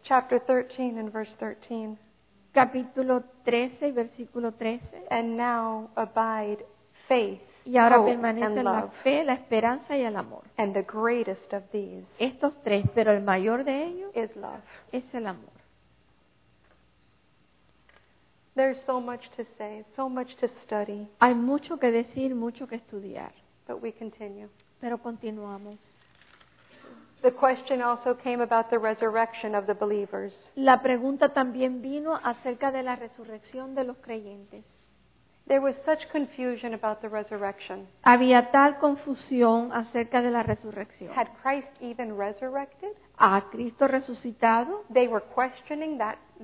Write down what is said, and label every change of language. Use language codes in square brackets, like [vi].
[en] Chapter 13 and verse 13. [es] Capítulo 13, versículo 13. [en] And now abide faith, [es] y ahora [en] hope, [es] permanece la fe, la esperanza y el amor. [en] And the greatest of these, [es] estos tres, pero el mayor de ellos [en] is love. [es] Es el amor. [en] There's so much to say, so much to study. [es] Hay mucho que decir, mucho que estudiar. [en] But we continue. [es] Pero continuamos. [en] The question also came about the resurrection of the believers. [es] La pregunta también vino acerca de la resurrección de los creyentes. [en] There was such confusion about the resurrection. [es] Había tal confusión acerca de la resurrección. [en] Had Christ even resurrected? [es] ¿A Cristo resucitado? [en] They were questioning that.